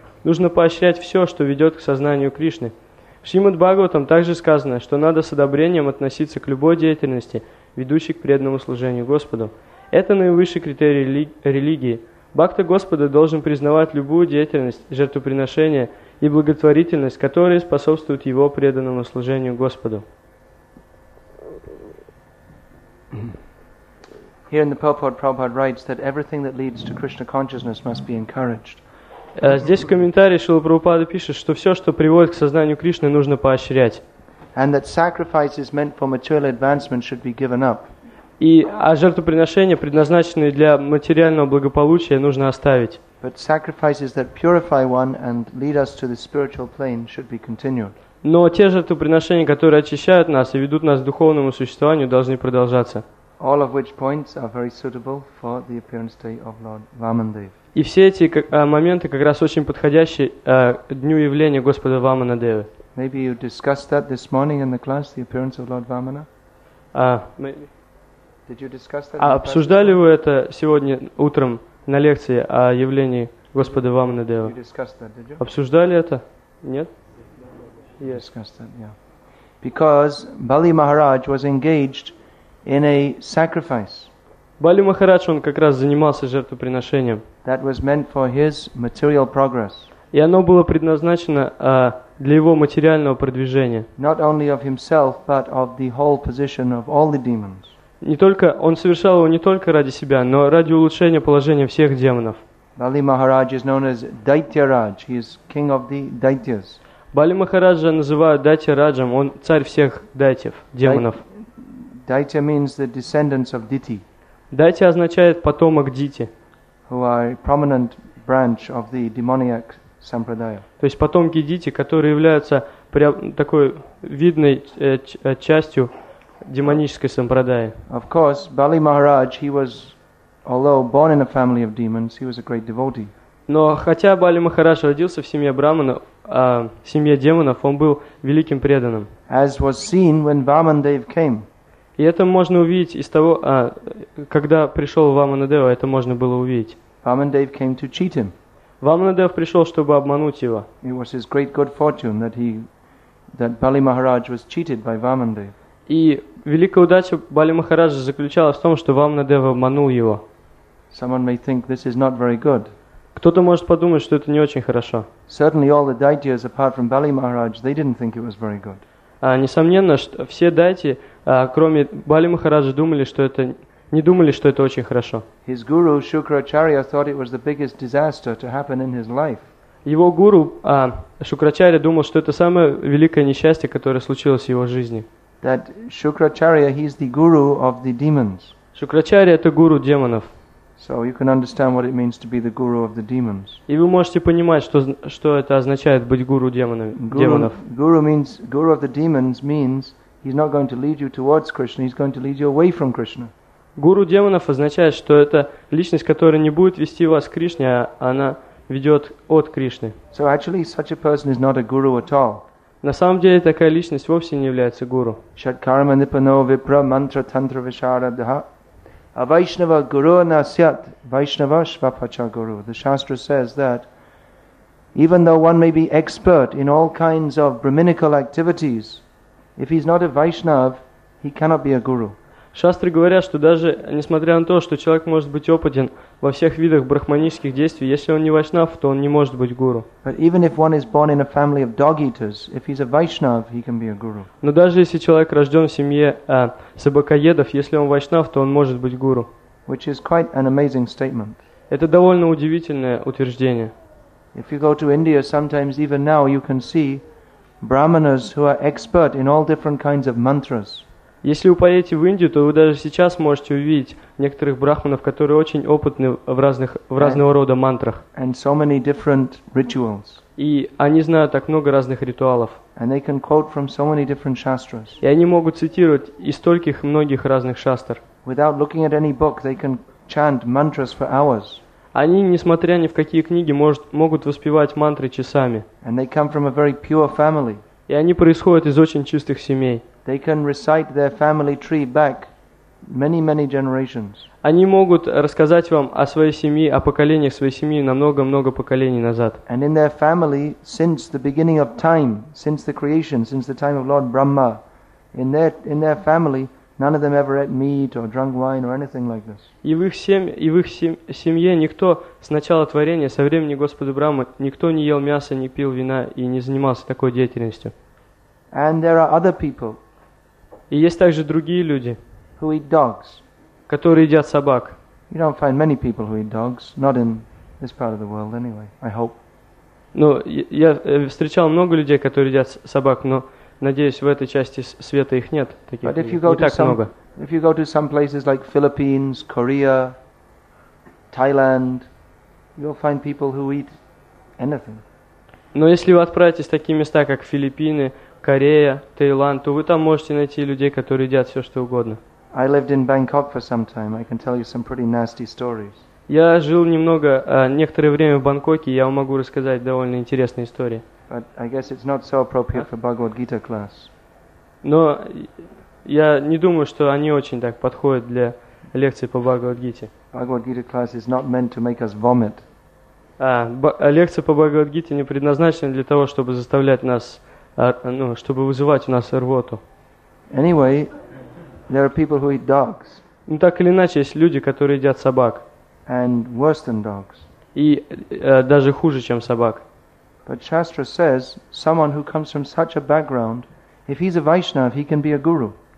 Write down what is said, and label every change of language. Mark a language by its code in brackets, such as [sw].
[ru] Нужно поощрять все, что ведет к сознанию Кришны. В Шримад Бхагаватам также сказано, что надо с одобрением относиться к любой деятельности, ведущей к преданному служению Господу. Это наивысший критерий религии. Бхакта Господа должен признавать любую деятельность, жертвоприношение и благотворительность, которые способствуют его преданному служению Господу. [en] Here in the purport, Prabhupada writes that everything that leads to Krishna consciousness must be encouraged. [ru] Здесь в комментарии Шрила Прабхупада пишет, что все, что приводит к сознанию Кришны, нужно поощрять. [en] And that sacrifices meant for material advancement should be given up. [ru] И а жертвоприношения, предназначенные для материального благополучия, нужно оставить. [en] But sacrifices that purify one and lead us to the spiritual plane should be continued. [ru] Но те жертвоприношения, которые очищают нас и ведут нас к духовному существованию, должны продолжаться. [en] All of which points are very suitable for the appearance day of Lord Vamandev. [ru] И все эти моменты как раз очень подходящие дню явления Господа Ваманадевы. [en] Maybe you discussed that this morning in the class, the appearance of Lord Vamana. Did you discuss that? [ru] Обсуждали вы это сегодня утром на лекции о явлении Господа Ваманадевы? [en] You discussed that, did you? [ru] Обсуждали это? Нет? [en] Yes. Discussed that, yeah. Because Bali Maharaj was engaged in a sacrifice. [ru] Бали Махарадж, он как раз занимался жертвоприношением. [en] That was meant for his material progress. [ru] И оно было предназначено для его материального продвижения. [en] Not only of himself, but of the whole position of all the demons. [ru] Не только он совершал его не только ради себя, но ради улучшения положения всех демонов. [en] Bali Maharaj is known as Daitya Raj. He is king of the Daityas. [ru] Бали Махараджа называют Дайтья Раджем, он царь всех дайтьев, демонов. [en] Daitya means the descendants of Diti. [ru] Дайтья означает потомок Дити. [en] Who are a prominent branch of the demoniac sampradaya. [ru] То есть потомки Дити, которые являются прям такой видной частью демонической сампрадаи. [en] Of course, Bali Maharaj, he was, although born in a family of demons, he was a great devotee. [ru] Но хотя Бали Махарадж родился в семье брахмана, семье демонов, он был великим преданным. [en] As was seen when Vamandev came. [ru] И это можно увидеть из того, когда пришел Ваманадева, это можно было увидеть. [en] Vamanadeva came to cheat him. [ru] Vamanadeva пришел, чтобы обмануть его. [en] It was his great good fortune that that Bali Maharaj was cheated by Vamanadeva. [ru] И великая удача Бали Махараджа заключалась в том, что Вамнадева обманул его. [en] Someone may think this is not very good. [ru] Кто-то может подумать, что это не очень хорошо. [en] Certainly all the daityas apart from Bali Maharaj, they didn't think it was very good. [ru] Несомненно, что все дайти, кроме Бали Махараджа, не думали, что это очень хорошо. [en] His guru Shukracharya thought it was the biggest disaster to happen in his life. [ru] Его гуру Шукрачарья думал, что это самое великое несчастье, которое случилось в его жизни. [en] That Shukracharya, he's the guru of the demons. [ru] Shukracharya — это гуру демонов. [en] So you can understand what it means to be the guru of the demons. [ru] И вы можете понимать, что это означает быть гуру демонов. [en] Guru of the demons means he's not going to lead you towards Krishna, he's going to lead you away from Krishna. [ru] Гуру демонов означает, что это личность, которая не будет вести вас к Кришне, а она ведет от Кришны. [en] So actually such a person is not a guru at all. [ru] На самом деле такая личность вовсе не является гуру. [sa] Шаткарма нипано випра мантра тантра вишара дха. А вайшнава гуру насят вайшнава швапача гуру. [en] The Shastra says that even though one may be expert in all kinds of brahminical activities, if he's not a Vaishnav, he cannot be a guru. [ru] Шастры говорят, что даже несмотря на то, что человек может быть опытен во всех видах брахманических действий, если он не вайшнав, то он не может быть гуру. [en] But even if one is born in a family of dog eaters, if he's a Vaishnav, he can be a guru. [ru] Но даже если человек рожден в семье собакоедов, если он вайшнав, то он может быть гуру. [en] Which is quite an amazing statement. [ru] Это довольно удивительное утверждение. [en] If you go to India, sometimes even now you can see brahmanas who are expert in all different kinds of mantras. [ru] Если вы поедете в Индию, то вы даже сейчас можете увидеть некоторых брахманов, которые очень опытны в разного рода мантрах. [en] And so many different rituals. [ru] И они знают так много разных ритуалов. [en] And they can quote from so many different shastras. [ru] И они могут цитировать из стольких многих разных шастр. [en] Without looking at any book, they can chant mantras for hours. [ru] Они, несмотря ни в какие книги, могут воспевать мантры часами. [en] And they come from a very pure family. [ru] И они происходят из очень чистых семей. [en] They can recite their family tree back many, many generations. [ru] Они могут рассказать вам о своей семье, о поколениях своей семьи на много-много поколений назад. [en] And in their family, since the beginning of time, since the creation, since the time of Lord Brahma, in their family, none of them ever ate meat or drank wine or anything like this. [ru] И в их семье никто с начала творения, со времени Господа Брахмы, никто не ел мяса, не пил вина и не занимался такой деятельностью. [en] And there are other people. [ru] И есть также другие люди, [en] who eat dogs. [ru] Которые едят собак. [en] You don't find many people who eat dogs, not in this part of the world anyway, I hope. [ru] Ну, я встречал много людей, которые едят собак, но надеюсь, в этой части света их нет таких. [en] But if you go [ru] не так [en] some, [ru] много. [en] If you go to some places like Philippines, Korea, Thailand, you'll find people who eat anything. [ru] Но если вы отправитесь в такие места, как Филиппины, Корея, Таиланд, то вы там можете найти людей, которые едят все, что угодно. [en] I lived in Bangkok for some time. I can tell you some pretty nasty stories. [ru] Я жил некоторое время в Бангкоке, и я вам могу рассказать довольно интересные истории. [en] But I guess it's not so appropriate for Bhagavad Gita class. [ru] Но я не думаю, что они очень так подходят для лекции по Bhagavad Gita. [en] Bhagavad Gita class is not meant to make us vomit. [ru] Лекция по Bhagavad Gita не предназначена для того, чтобы заставлять нас чтобы вызывать у нас рвоту. [en] Anyway, there are people who eat dogs. [ru] Ну, так или иначе, есть люди, которые едят собак. [en] And worse than dogs. [ru] И даже хуже, чем собак. [en] But Shastra says, someone who comes from such a background, if he's a Vaishnav, he can be a guru.